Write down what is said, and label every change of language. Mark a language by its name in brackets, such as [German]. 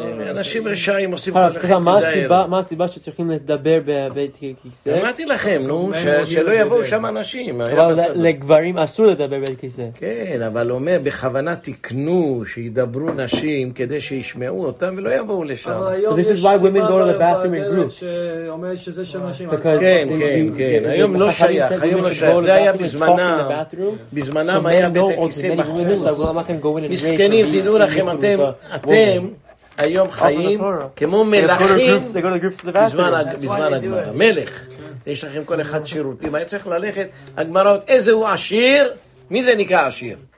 [Hebrew] אנשים רשעים עושים כל החצי זהר. מה הסיבה שצריכים לדבר בבית כיסא? אמרתי לכם, נו, שלא יבואו שם אנשים. אבל לגברים אסור לדבר בבית כיסא. כן, אבל אומר, בכוונה תקנו שידברו נשים כדי שישמעו אותם ולא יבואו לשם. [English] So this is why women go to the bathroom in groups. [Hebrew] שאומר שזה של נשים. כן, כן, כן. היום לא שייך, היום לא שייך. זה היה בזמנם היה בית הכיסא בחוץ. מסכנים, תדעו לכם, אתם היום חיים כמו מלאכים בזמן הגמרא. מלך, יש לכם כל אחד שירותים, היה צריך ללכת, הגמרא, איזה הוא עשיר, מי זה נקרא עשיר?